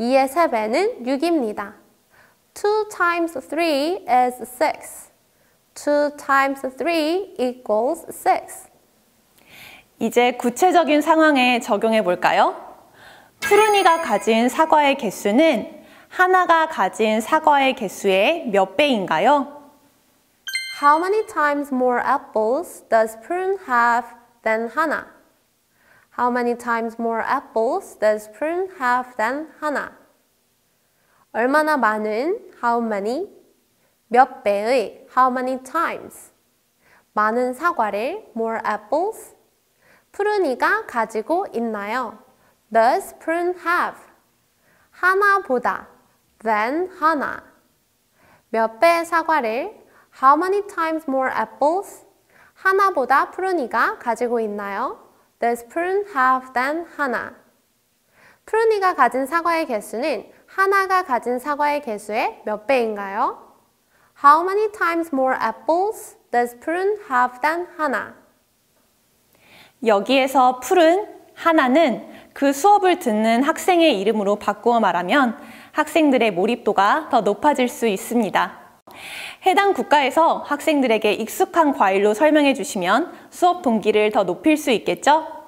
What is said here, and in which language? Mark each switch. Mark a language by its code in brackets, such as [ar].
[ko] 2의 3배는 6입니다. [en] 2 times 3 is 6. 2 times 3 equals 6. [ko] 이제 구체적인 상황에 적용해 볼까요? 푸르니가 가진 사과의 개수는 하나가 가진 사과의 개수의 몇 배인가요? [en] How many times more apples does Prune have than Hannah? How many times more apples does Prune have than Hannah? [ko] 얼마나 많은 [en] how many [ko] 몇 배의 [en] how many times [ko] 많은 사과를 [en] more apples [ko] 푸르니가 가지고 있나요? [en] Does Prune have [ko] 하나보다 [en] than [ko] 하나 몇 배의 사과를 [en] how many times more apples [ko] 하나보다 푸르니가 가지고 있나요? [en] Does Prune have than [ko] 하나 푸르니가 가진 사과의 개수는 하나가 가진 사과의 개수의 몇 배인가요? [en] How many times more apples does Prune have than Hannah? [ko] 여기에서 푸른, 하나는 그 수업을 듣는 학생의 이름으로 바꾸어 말하면 학생들의 몰입도가 더 높아질 수 있습니다. 해당 국가에서 학생들에게 익숙한 과일로 설명해 주시면 수업 동기를 더 높일 수 있겠죠?